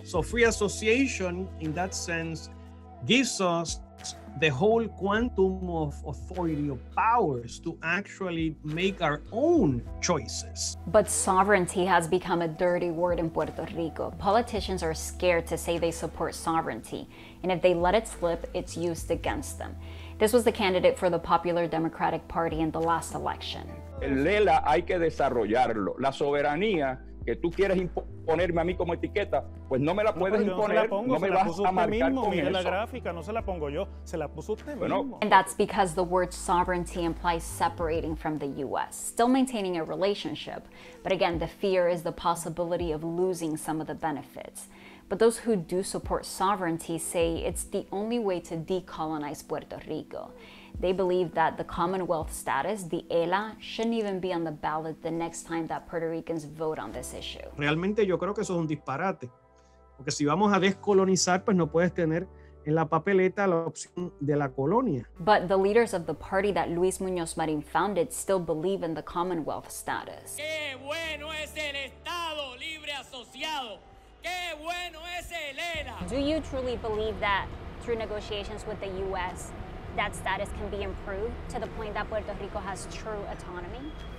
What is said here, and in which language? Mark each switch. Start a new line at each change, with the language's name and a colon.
English: So free association, in that sense, gives us the whole quantum of authority, of powers, to actually make our own choices. But sovereignty has become a dirty word in Puerto Rico. Politicians are scared to say they support sovereignty, and if they let it slip, it's used against them. This was the candidate for the Popular Democratic Party in the last election.
Spanish: El Lela hay que desarrollarlo. La soberanía que tú quieres imponerme a mí como etiqueta, pues no me la puedes imponer, no me vas a marcar con eso. Mira la gráfica, no se la pongo yo, se la puso usted mismo.
English: And that's because the word sovereignty implies separating from the U.S., still maintaining a relationship. But again, the fear is the possibility of losing some of the benefits. But those who do support sovereignty say it's the only way to decolonize Puerto Rico. They believe that the Commonwealth status, the ELA, shouldn't even be on the ballot the next time that Puerto Ricans vote on this issue.
Spanish: Realmente yo creo que eso es un disparate. Porque si vamos a descolonizar, pues no puedes tener en la papeleta la opción de la colonia.
English: But the leaders of the party that Luis Muñoz Marín founded still believe in the Commonwealth status.
Spanish: ¡Qué bueno es el Estado Libre Asociado! ¡Qué bueno es el ELA!
English: Do you truly believe that through negotiations with the U.S., that status can be improved to the point that Puerto Rico has true autonomy?